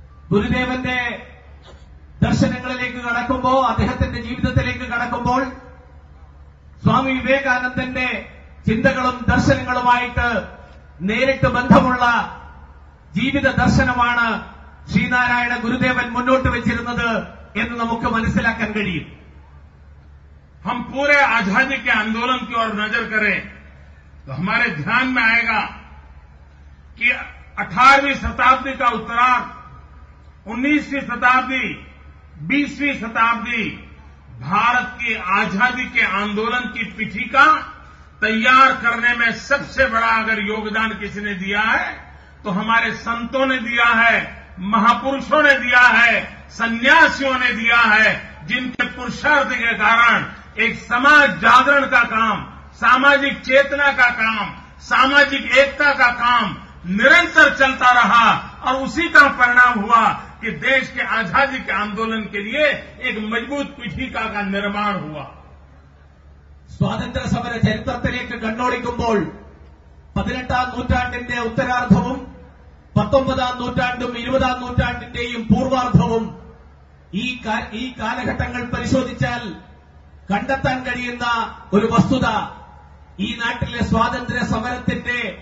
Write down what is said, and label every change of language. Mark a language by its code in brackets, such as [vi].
[ml] ഗുരുദേവന്റെ ദർശനങ്ങളിലേക്ക് കടക്കുമ്പോൾ അദ്ദേഹത്തിന്റെ ജീവിതത്തിലേക്ക് കടക്കുമ്പോൾ സ്വാമി വിവേകാനന്ദന്റെ ചിന്തകളും ദർശനങ്ങളുമായിട്ട് നേരിട്ട് ബന്ധമുള്ള ജീവിത ദർശനമാണ് ശ്രീനാരായണ ഗുരുദേവൻ മുന്നോട്ട് വെച്ചിരുന്നത് എന്ന് നമുക്ക് മനസ്സിലാക്കാൻ കഴിയും. [hi] ഹം പൂരെ ആസാദിക്ക് ആന്തോളൻ കി ഓർ നജർ കരേ തോ ഹമാരെ ധ്യാൻ മേ ആയേഗാ കി 18വീ ശതാബ്ദി കാ ഉത്തരാർദ്ധ 19വീ ശതാബ്ദി 20വീ ശതാബ്ദി ഭാരത് കി ആസാദി കെ ആന്തോളൻ കി പിഠിക तैयार करने में सबसे बड़ा अगर योगदान किसी ने दिया है तो हमारे संतों ने दिया है, महापुरुषों ने दिया है, सन्यासियों ने दिया है, जिनके पुरुषार्थ के कारण एक समाज जागरण का काम, सामाजिक चेतना का काम, सामाजिक एकता का काम निरंतर चलता रहा और उसी का परिणाम हुआ कि देश के आजादी के आंदोलन के लिए एक मजबूत पीठिका का निर्माण हुआ। [ml] സ്വാതന്ത്ര്യ സമര ചരിത്രത്തിലേക്ക് കണ്ണോടിക്കുമ്പോൾ 18ാം നൂറ്റാണ്ടിന്റെ ഉത്തരാർദ്ധവും 19ാം നൂറ്റാണ്ടും 20ാം നൂറ്റാണ്ടിന്റെയും പൂർവാർദ്ധവും ഈ കാലഘട്ടങ്ങൾ പരിശോധിച്ചാൽ കണ്ടെത്താൻ കഴിയുന്ന ഒരു വസ്തുത ഈ നാട്ടിലെ സ്വാതന്ത്ര്യ സമരത്തിന്റെ